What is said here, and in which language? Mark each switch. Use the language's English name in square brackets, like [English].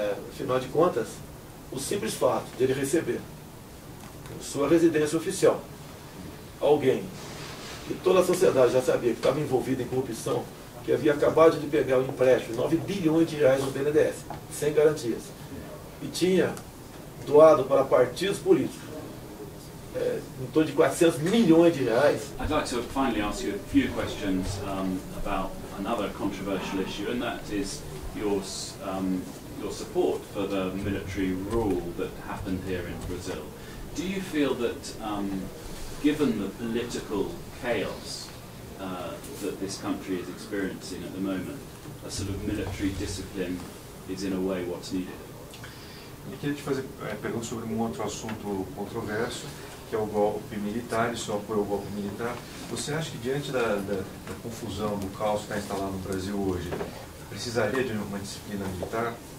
[Portuguese] Afinal de contas, o simples fato de ele receber sua residência oficial, alguém que toda a sociedade já sabia que estava envolvido em corrupção, que havia acabado de pegar um empréstimo de 9 bilhões de reais no BNDES, sem garantias, e tinha doado para partidos políticos em torno de 400 milhões de reais. [English] I'd like to finally ask you a few questions about another controversial issue, and that is your support for the military rule that happened here in Brazil. Do you feel that given the political chaos that this country is experiencing at the moment, a sort of military discipline is in a way what's needed? [Portuguese] Eu queria te fazer pergunta sobre um outro assunto controverso, que é o golpe militar, e seu apoio ao golpe militar. Você acha que diante da confusão, do caos que está instalado no Brasil hoje, precisaria de uma disciplina militar?